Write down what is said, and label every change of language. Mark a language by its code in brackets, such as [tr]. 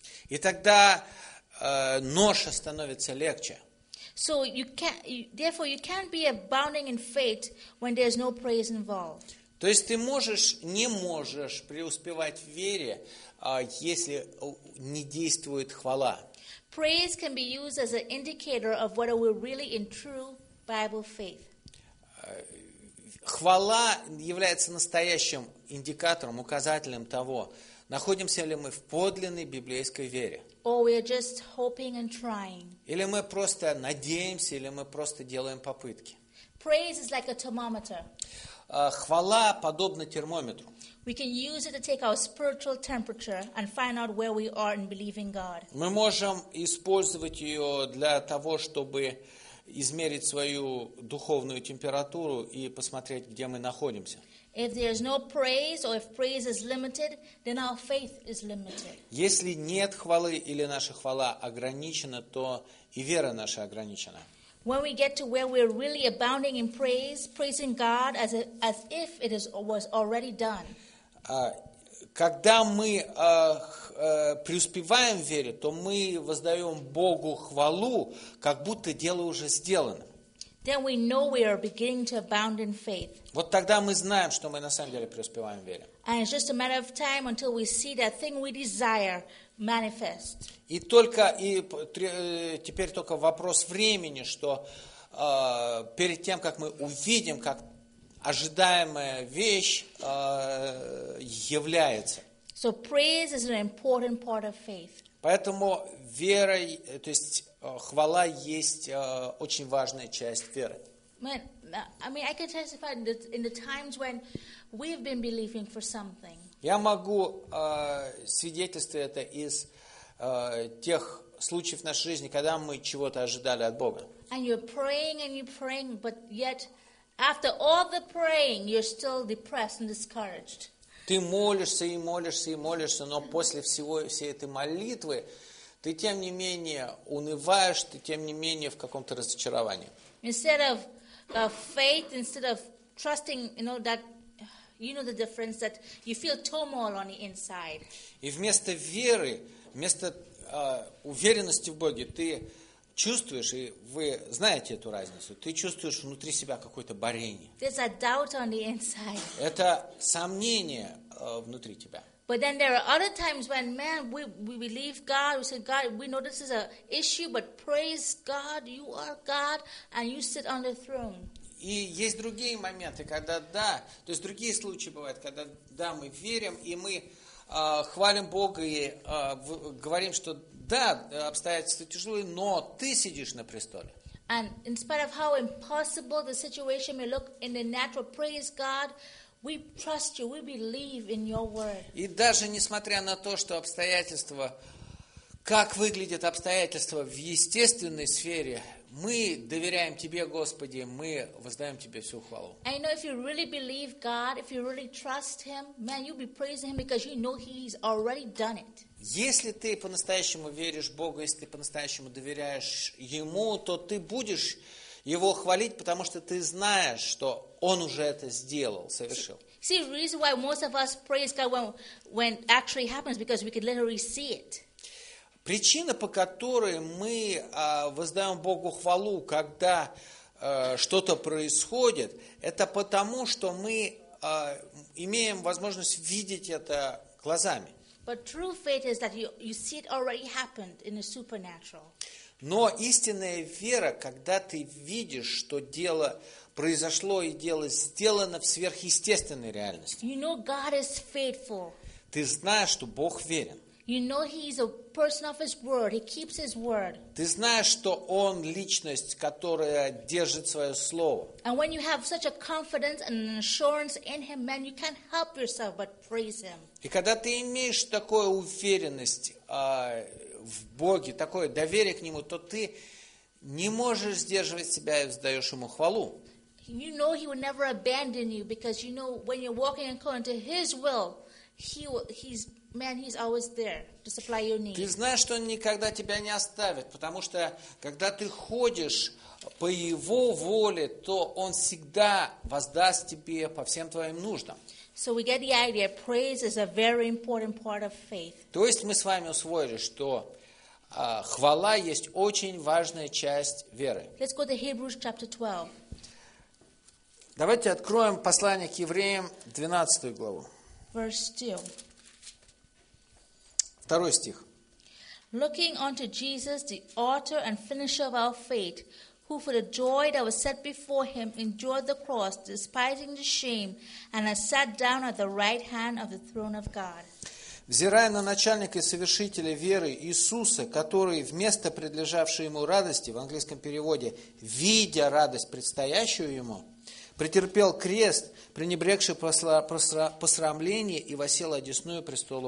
[ru] И тогда ноша становится легче. [en] So you therefore you can't be abounding in faith when there's no praise involved. [ru] То есть ты можешь, не можешь преуспевать в вере, если не действует хвала. [en] Praise can be used as an indicator of whether we're really in true Bible faith. [ru] Хвала является настоящим индикатором, указателем того, находимся ли мы в подлинной библейской вере. [en] Or we are just hoping and trying. [ru] Или мы просто надеемся, или мы просто делаем попытки. [en] Praise is like a thermometer. [ru] Хвала подобна термометру. [en] We can use it to take our spiritual temperature and find out where we are in believing God. [ru] Мы можем использовать ее для того, чтобы измерить свою духовную температуру и посмотреть, где мы находимся. [en] If there is no praise or if praise is limited, then our faith is limited. [ru] Если нет хвалы или наша хвала ограничена, то и вера наша ограничена. [en] When we get to where we're really abounding in praise, praising God as if it is was already done. [ru] Когда мы преуспеваем в вере, то мы воздаем Богу хвалу, как будто дело уже сделано. [en] Then we know we are beginning to abound in faith. [ru] Вот тогда мы знаем, что мы на самом деле преуспеваем в вере. [en] And it's just a matter of time until we see that thing we desire manifest. [ru] И только и теперь только вопрос времени, что перед тем, как мы увидим, как ожидаемая вещь является. [en] So praise is an important part of faith. [ru] Поэтому вера, то есть хвала есть очень важная часть веры. [en] I can testify in the times when we've been believing for something. [ru] Я могу свидетельствовать это из тех случаев в нашей жизни, когда мы чего-то ожидали от Бога. [en] And you're praying and you're praying, but yet after all the praying, you're still depressed and discouraged. [ru] Ты молишься и молишься и молишься, но после всего всей этой молитвы ты тем не менее унываешь, ты тем не менее в каком-то разочаровании. [en] Instead of faith, instead of trusting, you know the difference that you feel turmoil on the inside. [ru] И вместо веры, вместо уверенности в Боге, ты чувствуешь, и вы знаете эту разницу, ты чувствуешь внутри себя какое-то борение. [en] There's a doubt on the inside. [ru] Это сомнение внутри тебя. [en] But then there are other times when, man, we believe God, we say, God, we know this is an issue, but praise God, you are God, and you sit on the throne. [ru] И есть другие моменты, когда да, то есть другие случаи бывают, когда да, мы верим, и мы хвалим Бога и говорим, что да, обстоятельства тяжелые, но ты сидишь на престоле. [en] And in spite of how impossible the situation may look in the natural, praise God, we trust you, we believe in your word. [ru] И даже несмотря на то, что обстоятельства, как выглядят обстоятельства в естественной сфере, мы доверяем тебе, Господи, мы воздаем тебе всю хвалу. [en] And you know, if you really believe God, if you really trust Him, man, you'll be praising Him because you know He's already done it. [ru] Если ты по-настоящему веришь Богу, если ты по-настоящему доверяешь Ему, то ты будешь Его хвалить, потому что ты знаешь, что Он уже это сделал, совершил. [en] See, the reason why most of us praise God when it actually happens, because we can literally see it. [ru] Причина, по которой мы воздаем Богу хвалу, когда что-то происходит, это потому, что мы имеем возможность видеть это глазами. [en] But true faith is that you see it already happened in the supernatural. [ru] Но истинная вера, когда ты видишь, что дело произошло и дело сделано в сверхъестественной реальности. [en] You know God is faithful. [ru] Ты знаешь, что Бог верен. [en] You know He is a person of His word. He keeps His word. [ru] Ты знаешь, что Он личность, которая держит свое слово. [en] And when you have such a confidence and assurance in Him, man, you can't help yourself but praise Him. [ru] И когда ты имеешь такую уверенность в Боге, такое доверие к Нему, то ты не можешь сдерживать себя и вздаешь Ему хвалу. [en] You know He will never abandon you because you know when you're walking according to His will, He's always there to supply your needs. [ru] Ты знаешь, что Он никогда тебя не оставит, потому что когда ты ходишь по Его воле, то Он всегда воздаст тебе по всем твоим нуждам. [en] So we get the idea. Praise is a very important part of faith. [ru] То есть мы с вами усвоили, что хвала есть очень важная часть веры. [en] Let's go to Hebrews chapter 12. [ru] Давайте откроем послание к евреям, 12 главу. [en] Verse 2. [ru] Второй стих. [en] Looking unto Jesus, the author and finisher of our faith, who for the joy that was set before him endured the cross, despising the shame, and has sat down at the right hand of the throne of God. [ru] Взирая на начальника и совершителя веры Иисуса, который вместо предлежавшей ему радости, в английском переводе, видя радость предстоящую ему, претерпел крест, пренебрегший посрамление и воссел одесную престола